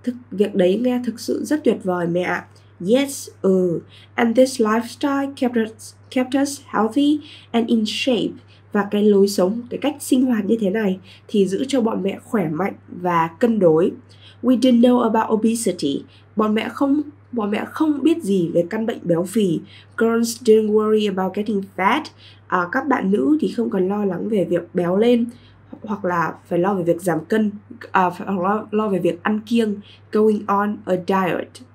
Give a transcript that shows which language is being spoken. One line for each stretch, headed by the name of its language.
Vietnamese: Việc đấy nghe thực sự rất tuyệt vời mẹ.
English: Yes, and this lifestyle kept us healthy and in shape.
Vietnamese: Và cái lối sống, cái cách sinh hoạt như thế này thì giữ cho bọn mẹ khỏe mạnh và cân đối.
English: We didn't know about obesity.
Vietnamese: Bọn mẹ không biết gì về căn bệnh béo phì.
English: Girls didn't worry about getting fat.
Vietnamese: Các bạn nữ thì không cần lo lắng về việc béo lên hoặc là phải lo về việc giảm cân, lo về việc ăn kiêng,
English: going on a diet.